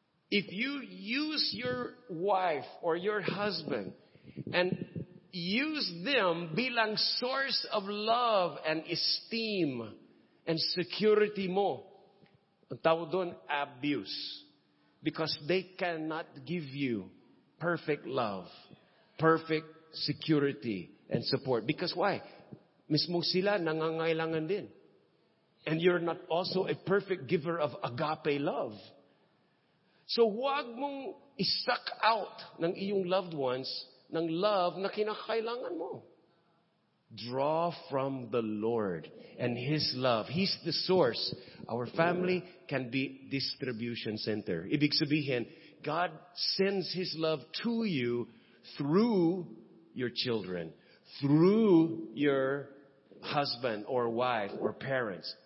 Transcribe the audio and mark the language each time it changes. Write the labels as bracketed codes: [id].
[en] If you use your wife or your husband and use them bilang source of love and esteem and security mo, [tl] ang tawag doon, [en] abuse. Because they cannot give you perfect love, perfect security and support. Because why? [tl] Mismo sila nangangailangan din. [en] And you're not also a perfect giver of agape love. [tl] So huwag mong isuck out ng iyong loved ones ng love na kinakailangan mo. [en] Draw from the Lord and His love. He's the source. Our family can be distribution center. [tl] Ibig sabihin, [en] God sends His love to you through your children, through your husband or wife or parents.